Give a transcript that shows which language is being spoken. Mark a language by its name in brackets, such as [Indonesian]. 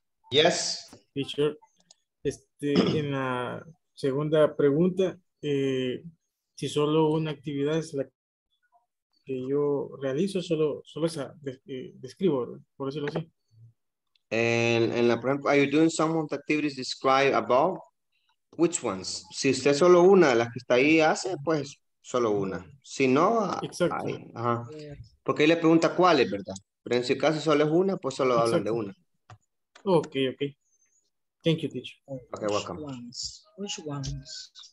[English] Yes. Teacher. [Spanish] En la segunda pregunta, si solo una actividad es la que yo realizo, solo esa describo, por decirlo así. En la pregunta, [English] are you doing some of the activities described above? Which ones? [Spanish] Si usted solo una de las que está ahí hace, pues solo una. Si no, exacto. Ajá. Porque ahí le pregunta cuál es, ¿verdad? Pero en su caso solo es una, pues solo hablan de una. [English] Ok. Thank you, teacher. Okay, which welcome. Ones? Which ones?